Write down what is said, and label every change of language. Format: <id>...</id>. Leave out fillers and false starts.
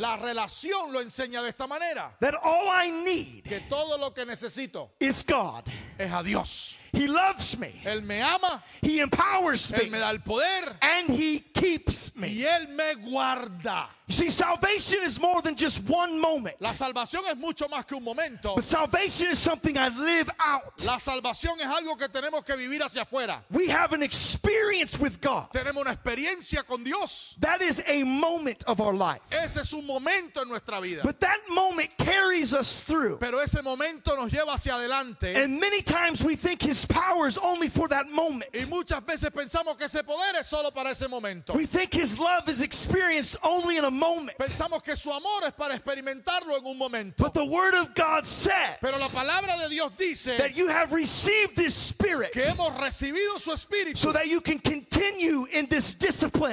<es>La relación lo enseña de esta manera.</es> <en>That all I need,</en> <es>que todo lo que necesito,</es> <en>is God.</en> <es>Es a Dios.</es> <en>He loves me.</en> <es>Él me ama.</es> <en>He empowers me.</en> <es>Él me da el poder.</es> <en>And he keeps me.</en> <es>Y él me guarda.</es> <en>See, salvation is more than just one moment.</en> <es>La salvación es mucho más que un momento.</es> <en>But salvation is something I live out.</en> <es>La salvación es algo que tenemos que vivir hacia afuera.</es> <en>We have an experience with God.</en> <es>Tenemos una experiencia con Dios.</es> <en>That is a moment of our life.</en> <es>Ese es un momento en nuestra vida.</es> <en>But that moment carries us through.</en> <es>Pero ese momento nos lleva hacia adelante.</es> <en>And many times we think His power is only for that moment.</en> <es>Y muchas veces pensamos que ese poder es solo para ese momento.</es> <en>We think His love is experienced only in a moment.</en> <es>Pensamos que su amor es para experimentarlo en un momento.</es> <en>But the Word of God says,</en> <es>pero la palabra de Dios dice,</es> <en>that you have received His Spirit,</en> <es>que hemos recibido su Espíritu,</es> <en>so that you can continue in this discipline,</en>